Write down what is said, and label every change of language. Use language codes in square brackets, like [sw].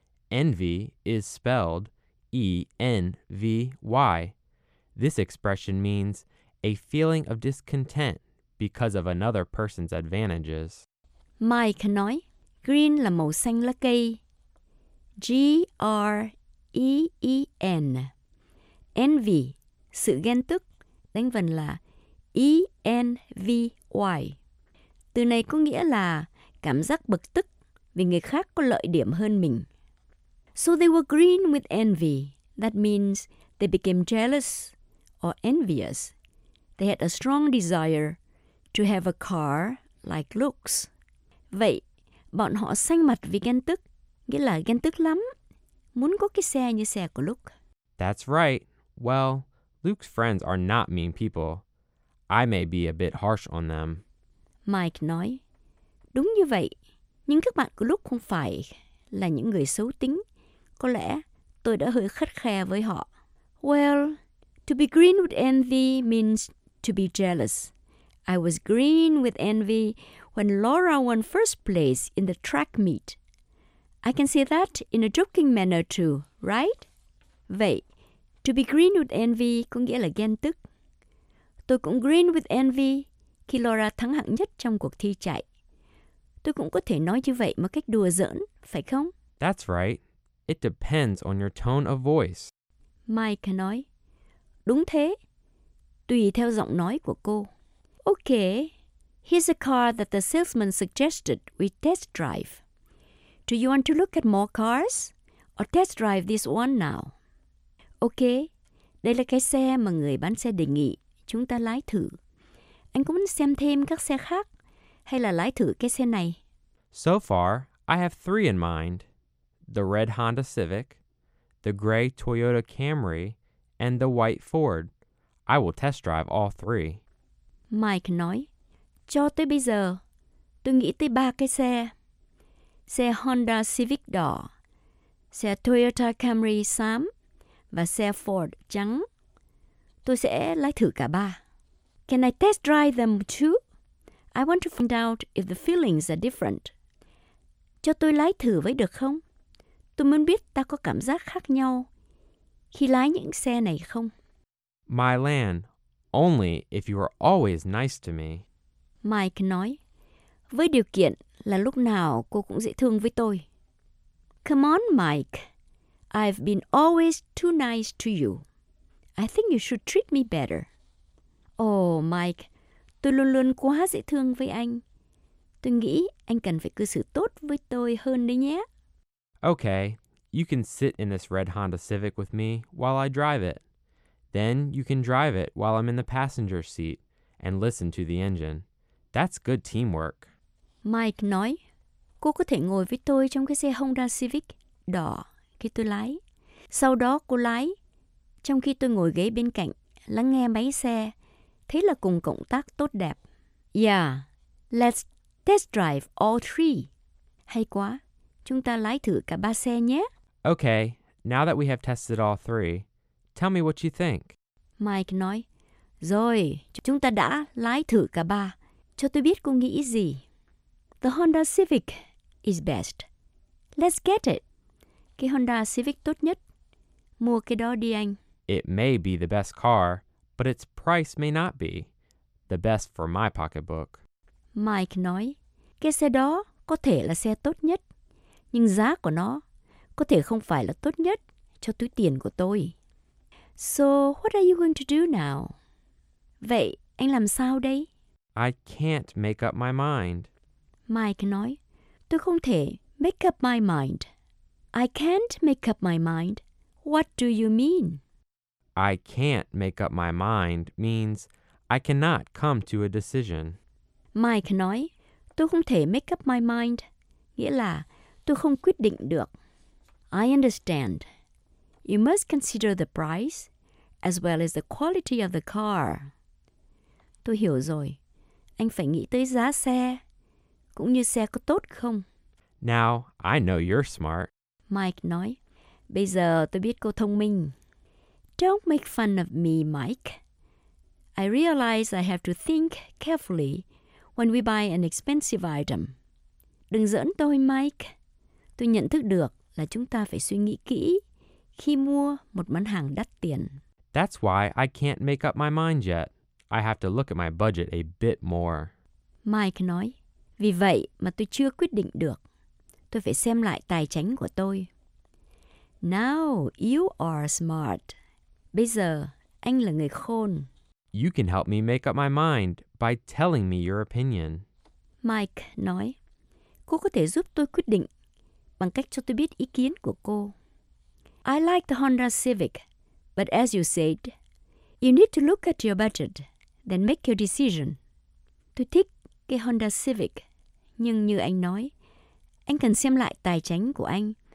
[en] Envy is spelled E-N-V-Y. This expression means a feeling of discontent because of another person's advantages. [vi] Mike nói, green là màu xanh lá cây. G-R-E-E-N. Envy, sự ghen tức, đánh vần là E-N-V-Y. Từ này có nghĩa là cảm giác bực tức vì người khác có lợi điểm hơn mình. [en] So they were green with envy. That means they became jealous or envious. They had a strong desire to have a car like Luke's. [vi] Vậy, bọn họ xanh mặt vì ghen tức, nghĩa là ghen tức lắm, muốn có cái xe như xe của Luke. [en] That's right. Well, Luke's friends are not mean people. I may be a bit harsh on them. [vi] Mike nói, đúng như vậy. Nhưng các bạn của Luke không phải là những người xấu tính. Có lẽ tôi đã hơi khắt khe với họ. [en] Well, to be green with envy means to be jealous. I was green with envy when Laura won first place in the track meet. I can say that in a joking manner too, right? [vi] Vậy, [en] to be green with envy [vi] có nghĩa là ghen tức. Tôi cũng [en] green with envy [vi] khi Laura thắng hạng nhất trong cuộc thi chạy. Tôi cũng có thể nói như vậy một cách đùa giỡn, phải không? [en] That's right. It depends on your tone of voice. [vi] Mike nói, đúng thế. Tùy theo giọng nói của cô. [en] Okay, here's a car that the salesman suggested we test drive. Do you want to look at more cars or test drive this one now? [vi] Okay, đây là cái xe mà người bán xe đề nghị chúng ta lái thử. Anh có muốn xem thêm các xe khác hay là lái thử cái xe này? [en] So far, I have three in mind. The red Honda Civic, the gray Toyota Camry, and the white Ford. I will test drive all three. [vi] Mike nói, cho tới bây giờ, tôi nghĩ tới ba cái xe. Xe Honda Civic đỏ, xe Toyota Camry xám và xe Ford trắng. Tôi sẽ lái thử cả ba. [en] Can I test drive them too? I want to find out if the feelings are different. [vi] Cho tôi lái thử với được không? Tôi muốn biết ta có cảm giác khác nhau khi lái những xe này không? [en] My land. Only if you are always nice to me. [vi] Mike nói, với điều kiện là lúc nào cô cũng dễ thương với tôi. [en] Come on, Mike. I've been always too nice to you. I think you should treat me better. [vi] Oh, Mike, tôi luôn luôn quá dễ thương với anh. Tôi nghĩ anh cần phải cư xử tốt với tôi hơn đấy nhé. [en] Okay, you can sit in this red Honda Civic with me while I drive it. Then you can drive it while I'm in the passenger seat and listen to the engine. That's good teamwork. [vi] Mike nói, cô có thể ngồi với tôi trong cái xe Honda Civic đỏ khi tôi lái. Sau đó cô lái, trong khi tôi ngồi ghế bên cạnh, lắng nghe máy xe. Thế là cùng cộng tác tốt đẹp. [en] Yeah, let's test drive all three. [vi] Hay quá, chúng ta lái thử cả ba xe nhé. [en] Okay, now that we have tested all three, tell me what you think. [vi] Mike nói, rồi, chúng ta đã lái thử cả ba. Cho tôi biết cô nghĩ gì. [en] The Honda Civic is best. Let's get it. [vi] Cái Honda Civic tốt nhất. Mua cái đó đi anh. [en] It may be the best car, but its price may not be the best for my pocketbook. [vi] Mike nói, cái xe đó có thể là xe tốt nhất, nhưng giá của nó có thể không phải là tốt nhất cho túi tiền của tôi. [en] So, what are you going to do now? [vi] Vậy, anh làm sao đây? [en] I can't make up my mind. [vi] Mike nói, tôi không thể [en] make up my mind. I can't make up my mind. What do you mean? I can't make up my mind means I cannot come to a decision. [vi] Mike nói, tôi không thể [en] make up my mind. [vi] Nghĩa là tôi không quyết định được. [en] I understand. You must consider the price as well as the quality of the car. [vi] Tôi hiểu rồi. Anh phải nghĩ tới giá xe, cũng như xe có tốt không. [en] Now, I know you're smart. [vi] Mike nói, bây giờ tôi biết cô thông minh. [en] Don't make fun of me, Mike. I realize I have to think carefully when we buy an expensive item. [vi] Đừng giỡn tôi, Mike. Tôi nhận thức được là chúng ta phải suy nghĩ kỹ khi mua một món hàng đắt tiền. [en] That's why I can't make up my mind yet. I have to look at my budget a bit more. [vi] Mike nói, vì vậy mà tôi chưa quyết định được. Tôi phải xem lại tài chính của tôi. [en] Now you are smart. [vi] Bây giờ, anh là người khôn. [en] You can help me make up my mind by telling me your opinion. [vi] Mike nói, cô có thể giúp tôi quyết định bằng cách cho tôi biết ý kiến của cô. [en] I like the Honda Civic, but as you said, you need to look at your budget, then make your decision. [vi] Tôi thích cái Honda Civic, nhưng như anh nói, anh cần xem lại tài chính của anh